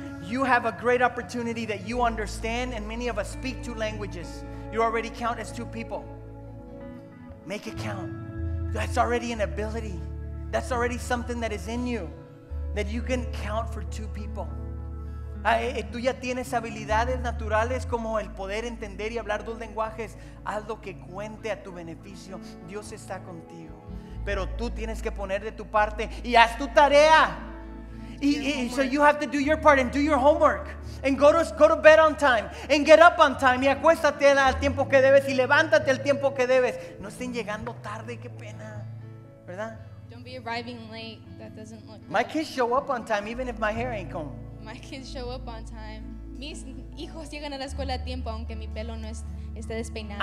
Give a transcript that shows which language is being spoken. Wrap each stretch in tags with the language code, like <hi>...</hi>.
<en>You have a great opportunity that you understand, and many of us speak two languages. You already count as two people. Make it count. That's already an ability. That's already something that is in you, that you can count for two people.</en> <es>Tú ya tienes habilidades naturales como el poder entender y hablar dos lenguajes. Haz lo que cuente a tu beneficio. Dios está contigo. Pero tú tienes que poner de tu parte y haz tu tarea.</es> <en>So you have to do your part and do your homework. And go to bed on time. And get up on time.</en> <es>Y acuéstate al tiempo que debes y levántate al tiempo que debes. No estén llegando tarde, qué pena. ¿Verdad?</es> <en>Don't be arriving late. That doesn't look My kids show up on time even if my hair ain't combed. My kids show up on time.</en> <es>Mis hijos llegan a la escuela a tiempo aunque mi pelo no esté despeinado.</es>